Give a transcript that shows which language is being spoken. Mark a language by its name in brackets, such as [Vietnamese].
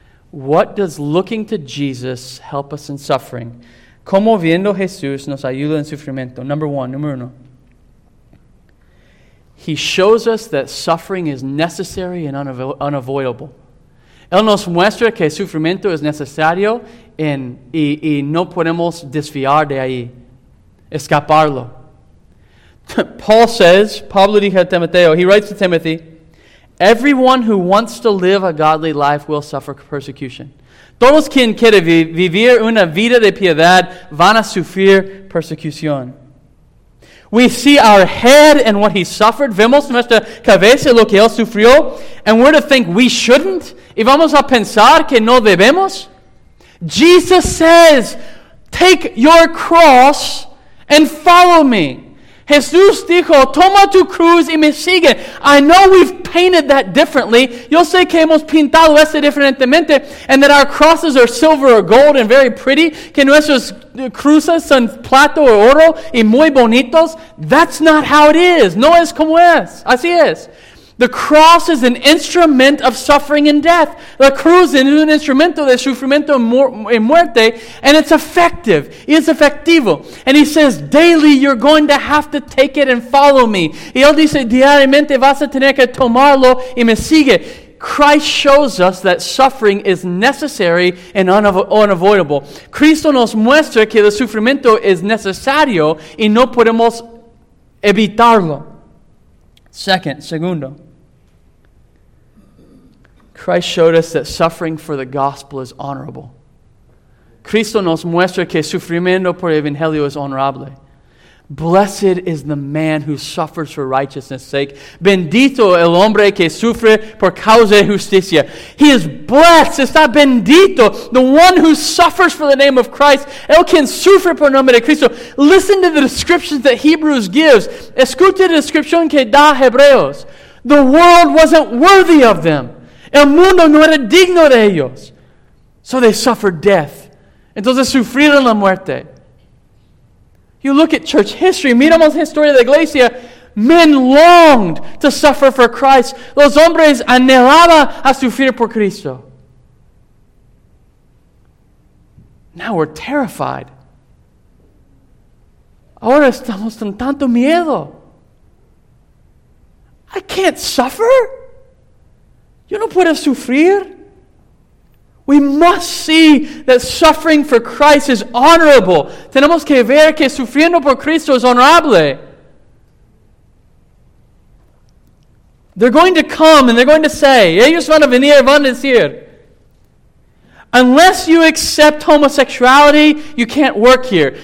[English] What does looking to Jesus help us in suffering? [Spanish] ¿Cómo viendo Jesús nos ayuda en sufrimiento? Número uno. [English] He shows us that suffering is necessary and unavoidable. [Spanish] Él nos muestra que sufrimiento es necesario y no podemos desviar de ahí, escaparlo. [English] Paul says, [Spanish] Pablo dijo a Timoteo, [English] he writes to Timothy, everyone who wants to live a godly life will suffer persecution. [Spanish] Todos quien quiere vivir una vida de piedad van a sufrir persecución. [English] We see our head and what he suffered. [Spanish] Vemos nuestra cabeza lo que él sufrió. [English] And we're to think we shouldn't. [Spanish] Y vamos a pensar que no debemos. [English] Jesus says, take your cross and follow me. [Spanish] Jesús dijo, toma tu cruz y me sigue. [English] I know we've painted that differently. [Spanish] Yo sé que hemos pintado eso diferentemente, [English] and that our crosses are silver or gold and very pretty, [Spanish] que nuestras cruces son plata o oro y muy bonitos. [English] That's not how it is. [Spanish] No es como es. Así es. [English] The cross is an instrument of suffering and death. [Spanish] La cruz es un instrumento de sufrimiento y muerte, [English] and it's effective. It's [Spanish] efectivo. [English] And he says, daily you're going to have to take it and follow me. [Spanish] Y él dice, diariamente vas a tener que tomarlo y me sigue. [English] Christ shows us that suffering is necessary and unavoidable. [Spanish] Cristo nos muestra que el sufrimiento es necesario y no podemos evitarlo. [English] Segundo, Christ showed us that suffering for the gospel is honorable. [Spanish] Cristo nos muestra que sufrimiento por el evangelio es honorable. [English] Blessed is the man who suffers for righteousness' sake. [Spanish] Bendito el hombre que sufre por causa de justicia. He is blessed. Está bendito. [English] The one who suffers for the name of Christ. [Spanish] El quien sufre por nombre de Cristo. [English] Listen to the descriptions that Hebrews gives. [Spanish] Escucha la descripción que da Hebreos. [English] The world wasn't worthy of them. [Spanish] El mundo no era digno de ellos. [English] So they suffered death. Entonces sufrieron la muerte. You look at church history, [Spanish] miramos la historia de la iglesia, [English] men longed to suffer for Christ. [Spanish] Los hombres anhelaban a sufrir por Cristo. [English] Now we're terrified. [Spanish] Ahora estamos con tanto miedo. [English] I can't suffer. [Spanish] Yo no puedo sufrir. [English] We must see that suffering for Christ is honorable. [Spanish] Tenemos que ver que sufriendo por Cristo es honorable. [English] They're going to come and they're going to say, [Spanish] ellos van a venir, van a decir, [English] unless you accept homosexuality, you can't work here.